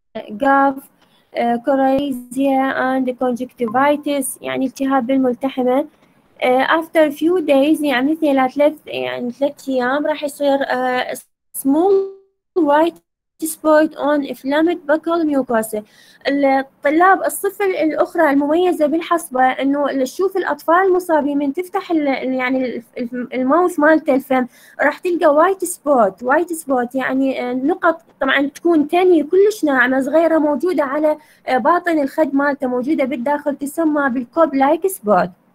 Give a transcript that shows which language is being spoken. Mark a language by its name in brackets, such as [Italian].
[Arabic] جاف كوريزيا اند كونجكتيفايتس يعني التهاب بالملتحمة. [English] After a few days [Arabic] يعني مثل ثلاث أيام راح يصير [English] small white spot on inflamed buccal mucosa. [Arabic] الطلاب الصفة الأخرى المميزة بالحصبة إنه تشوف الأطفال المصابين من تفتح يعني الماوث مالته الفم راح تلقى [English] white spot [Arabic] يعني نقط طبعا تكون تانية كلش ناعمة صغيرة موجودة على باطن الخد مالته، موجودة بالداخل تسمى بالكوب لايك سبوت.